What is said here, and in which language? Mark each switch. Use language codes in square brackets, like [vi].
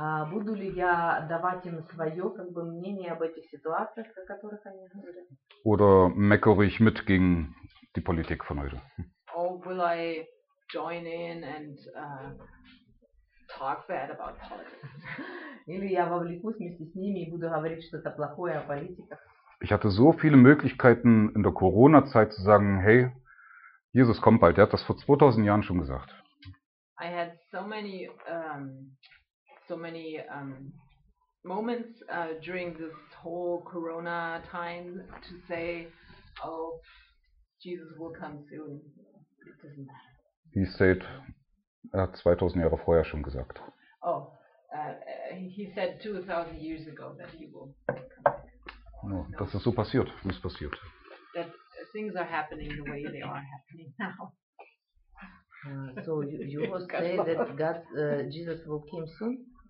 [ru] Буду ли я давать им свое как бы мнение об этих ситуациях, о которых они говорят? [de] Oder meckere ich mit gegen die Politik von heute? [en] Or will I join in and talk bad about politics? [ru] Или я вовлекусь вместе с ними и буду говорить что-то плохое о политиках? [de] Ich hatte so viele Möglichkeiten in der Corona-Zeit zu sagen, hey, Jesus kommt bald. Er hat das vor 2000 Jahren schon gesagt. [en] I had so many moments during this whole Corona time to say, oh, Jesus will come soon. It doesn't matter. He said, [de] er hat 2000 Jahre vorher schon gesagt. [en] Oh, he said 2000 years ago that he will come. [de] Oh, das ist so passiert, wie es passiert. [en] That things are happening the way they are happening now. So you will say that God, Jesus will come soon?